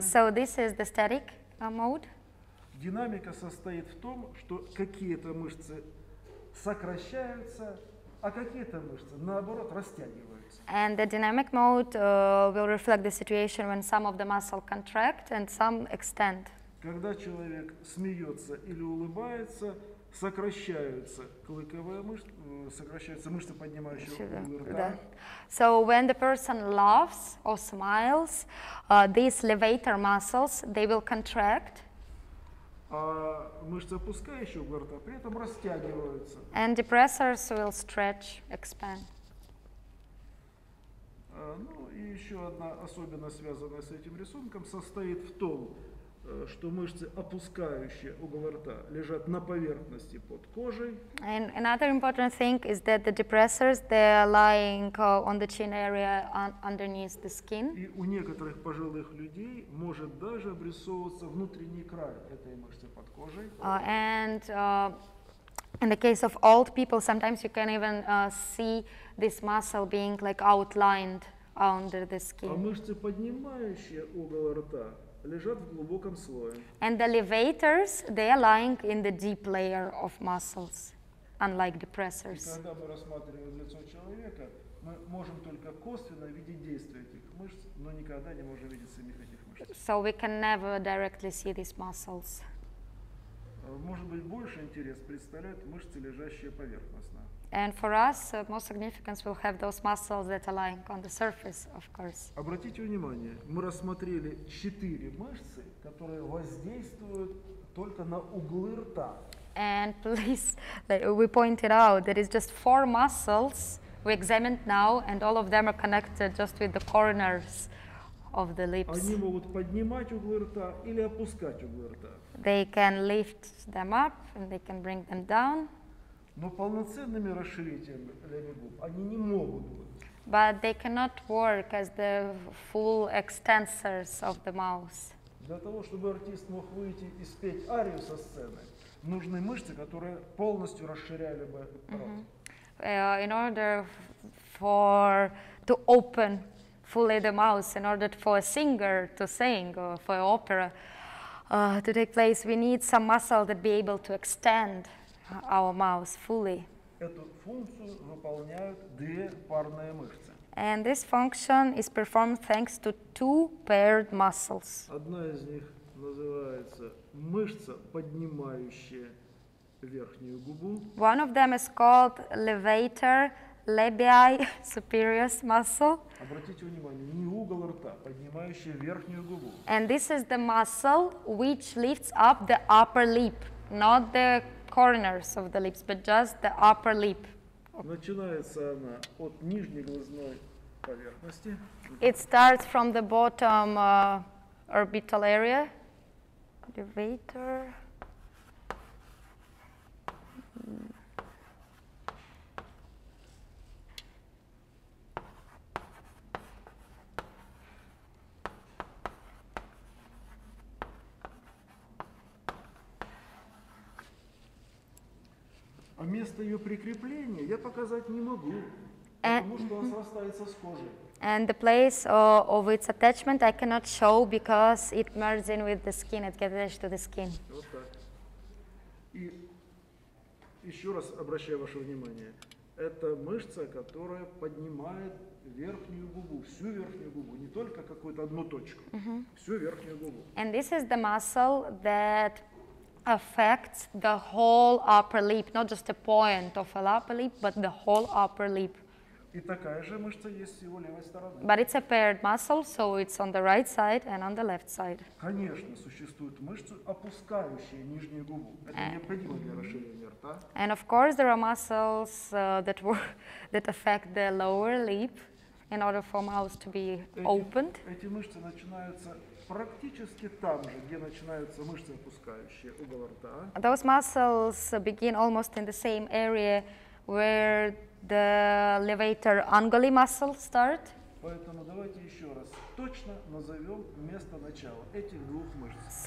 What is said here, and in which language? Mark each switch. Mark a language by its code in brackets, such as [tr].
[en] So this is the static mode. [ru] Динамика состоит в том, что какие-то мышцы сокращаются, а какие-то мышцы, наоборот, растягиваются. [en] And the dynamic mode will reflect the situation when some of the muscle contract and some extend. [ru] Когда человек смеется или улыбается, сокращаются клыковые мышцы, сокращаются мышцы, поднимающие рот. Да. [en] So when the person laughs or smiles, these levator muscles, they will contract. [ru] А мышцы, опускающие угол рта, при этом растягиваются. [en] And depressors will stretch, expand. [ru] Ну и еще одна особенность, связанная с этим рисунком, состоит в том, что мышцы, опускающие угол рта, лежат на поверхности под кожей. [en] And another important thing is that the depressors, they are lying on the chin area underneath the skin. [ru] И у некоторых пожилых людей может даже обрисовываться внутренний край этой мышцы под кожей. [en] And in the case of old people, sometimes you can even see this muscle being like outlined under the skin. [ru] А мышцы, поднимающие угол рта, лежат в глубоком слое. [en] And the levators, they are lying in the deep layer of muscles, unlike depressors. [ru] И когда мы рассматриваем лицо человека, мы можем только косвенно видеть действие этих мышц, но никогда не можем видеть самих этих мышц. [en] So we can never directly see these muscles. [ru] Может быть, больше интерес представляют мышцы, лежащие поверхностно. [en] And for us, more significance will have those muscles that are lying on the surface, of course. [ru] Обратите внимание, мы рассмотрели четыре мышцы, которые воздействуют только на углы рта. [en] And please, like, we pointed out that it's just four muscles we examined now, and all of them are connected just with the corners of the lips. [ru] Они могут поднимать углы рта или опускать углы рта. [en] They can lift them up and they can bring them down. [ru] Но полноценными расширителями губ они не могут быть. [en] But they cannot work as the full extensors of the mouth. [ru] Для того, чтобы артист мог выйти и спеть арию со сцены, нужны мышцы, которые полностью расширяли бы рот. [en] In order for to open fully the mouth, in order for a singer to sing or for an opera to take place, we need some muscle that be able to extend our mouth fully. [ru] Эту функцию выполняют две парные мышцы. [en] And this function is performed thanks to two paired muscles. [ru] Одна из них называется мышца, поднимающая верхнюю губу. [en] One of them is called levator labii superioris muscle. [ru] Обратите внимание, не угол рта, поднимающая верхнюю губу. [en] And this is the muscle which lifts up the upper lip, not the corners of the lips, but just the upper lip. [ru] Начинается она от нижней глазной поверхности. [en] It starts from the bottom orbital area. Levator. [ru] А место ее прикрепления я показать не могу, потому что он срастается с кожей. [en] And the place of its attachment I cannot show because it merges in with the skin, it gets attached to the skin. [ru] Вот так. И еще раз обращаю ваше внимание, это мышца, которая поднимает верхнюю губу, всю верхнюю губу, не только какую-то одну точку, всю верхнюю губу. [en] And this is the muscle that affects the whole upper lip, not just a point of a upper lip, but the whole upper lip. [ru] И такая же мышца есть и у левой стороны. [en] But it's a paired muscle, so it's on the right side and on the left side. [ru] Конечно, существуют мышцы, опускающие нижнюю губу. Это необходимо для расширения рта. [en] And of course, there are muscles that affect the lower lip in order for mouth to be opened. [ru] Эти мышцы начинаются практически там же, где начинаются мышцы, опускающие угол рта. [en] Those muscles begin almost in the same area where the levator unguli muscle start. [ru] Поэтому давайте еще раз точно назовем место начала этих двух мышц.